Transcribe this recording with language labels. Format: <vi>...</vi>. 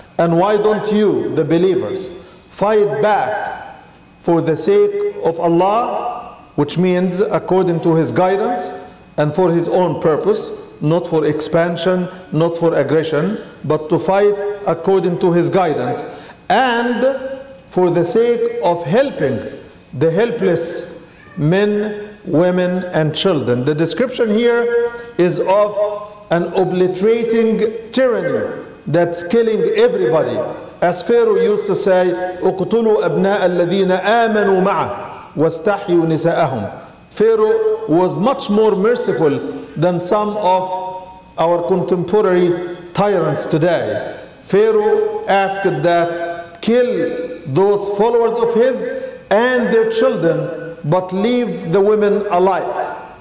<en>And why don't you, the believers, fight back for the sake of Allah, which means according to His guidance and for His own purpose, not for expansion, not for aggression, but to fight according to His guidance and for the sake of helping the helpless men, women, and children. The description here is of an obliterating tyranny that's killing everybody. As Pharaoh used to say,</en> <ar>اقتلوا أبناء الذين آمنوا معه واستحيوا نساءهم.</ar> <en>Pharaoh was much more merciful than some of our contemporary tyrants today. Pharaoh asked that kill those followers of his and their children, but leave the women alive.</en>